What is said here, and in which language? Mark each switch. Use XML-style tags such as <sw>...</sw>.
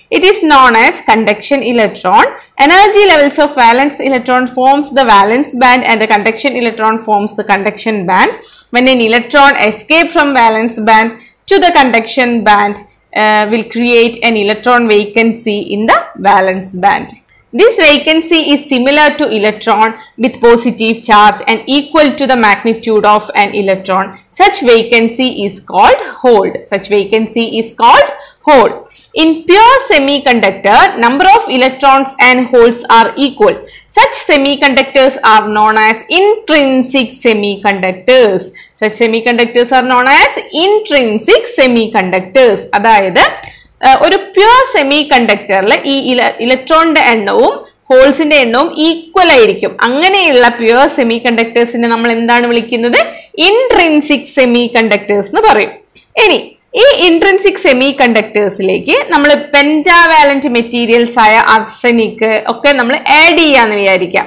<en>It is known as conduction electron. Energy levels of valence electron forms the valence band and the conduction electron forms the conduction band. When an electron escape from valence band to the conduction band will create an electron vacancy in the valence band. This vacancy is similar to electron with positive charge and equal to the magnitude of an electron. Such vacancy is called hole. Such vacancy is called hole. In pure semiconductor, number of electrons and holes are equal. Such semiconductors are known as intrinsic semiconductors. Such semiconductors are known as intrinsic semiconductors.</en> <ml>അതായത് ഒരു pure semiconductorല് ഈ ഇലക്ട്രോണിന്റെ എണ്ണവും ഹോൾസിന്റെ എണ്ണവും equal ആയിരിക്കും. അങ്ങനെയുള്ള pure semi കണ്ടക്ടേഴ്സിനെ നമ്മൾ എന്താണ് വിളിക്കുന്നത്? ഇൻട്രിൻസിക് സെമി കണ്ടക്ടേഴ്സ് എന്ന് പറയും. ഇനി ഈ ഇൻട്രിൻസിക് സെമി കണ്ടക്ടേഴ്സിലേക്ക് നമ്മൾ പെൻറ്റാവാലന്റ് മെറ്റീരിയൽസ് ആയ അർസനിക് ഒക്കെ നമ്മൾ ആഡ് ചെയ്യാന്ന് വിചാരിക്കുക.</ml>